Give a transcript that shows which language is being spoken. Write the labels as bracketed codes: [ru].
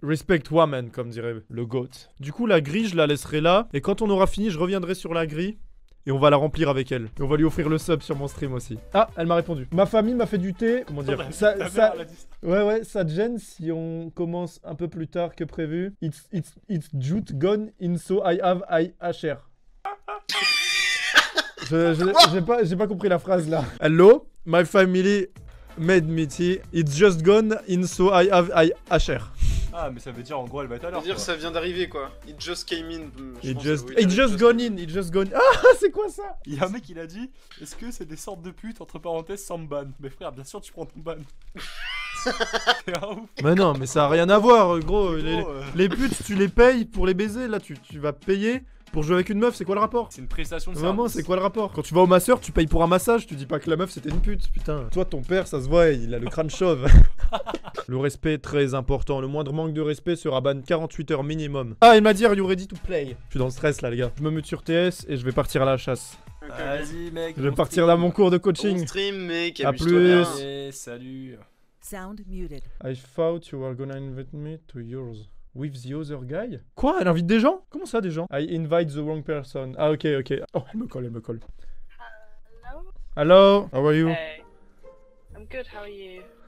[en] Respect woman, [fr] comme dirait le goat. Du coup, la grille, je la laisserai là. Et quand on aura fini, je reviendrai sur la grille. Et on va la remplir avec elle. Et on va lui offrir le sub sur mon stream aussi. Ah, elle m'a répondu. Ma famille m'a fait du thé. Comment dire, ouais, ça te gêne si on commence un peu plus tard que prévu. [en] It's jute gone in so I have IHR. [fr] J'ai pas compris la phrase là. [en] Hello, my family made me tea. It's just gone in so I have IHR. [fr] Ah mais ça veut dire en gros elle va être à l'heure. Ça veut dire ça vient d'arriver quoi. [en] It just came in. It just gone in. [fr] Ah c'est quoi ça? Il y a un mec qui l'a dit. Est-ce que c'est des sortes de putes entre parenthèses sans ban? Mais frère bien sûr tu prends ton ban. Mais non mais ça a rien à voir gros. Les putes tu les payes pour les baiser. Là tu vas payer pour jouer avec une meuf, c'est quoi le rapport? C'est une prestation de service. Vraiment, c'est quoi le rapport? Quand tu vas au masseur, tu payes pour un massage, tu dis pas que la meuf c'était une pute, putain. Toi, ton père, ça se voit, il a le crâne chauve. Le respect est très important, le moindre manque de respect sera ban 48 heures minimum. Ah, il m'a dit, [en] are you ready to play? [fr] Je suis dans le stress là, les gars. Je me mute sur TS et je vais partir à la chasse. Okay. Vas-y, mec. Je vais partir là mon cours de coaching. Bon stream, mec, à plus. Bien. Et salut. [en] Sound muted. I thought you were gonna invite me to yours. With the other guy? [fr] Quoi? Elle invite des gens? Comment ça des gens? [en] I invite the wrong person. [fr] Ah ok ok. Oh elle me colle. [en] Hello? Hello? How are you? Hey. I'm good, how are you?